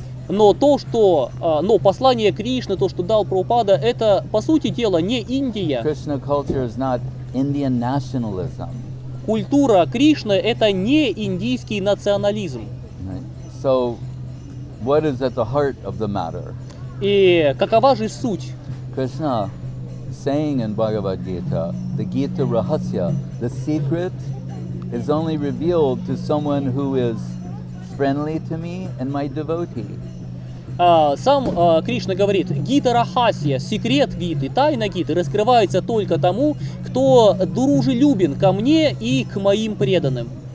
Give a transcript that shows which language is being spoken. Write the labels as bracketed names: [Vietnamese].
[Russian] Но послание Кришны, то, что дал Прабхупада, это по сути дела не Индия. [English] Krishna culture is not Indian nationalism. [Russian] Культура Кришны – это не индийский национализм. [English] So, what is at the heart of the matter? [Russian] И какова же суть? [English] Krishna saying in Bhagavad Gita, the Gita Rahasya, the secret is only revealed to someone who is friendly to me and my devotee. [Russian] Кришна говорит, Гита Рахасия, секрет Гиты, тайна Гиты раскрывается только тому, кто дружелюбен ко мне и к моим преданным.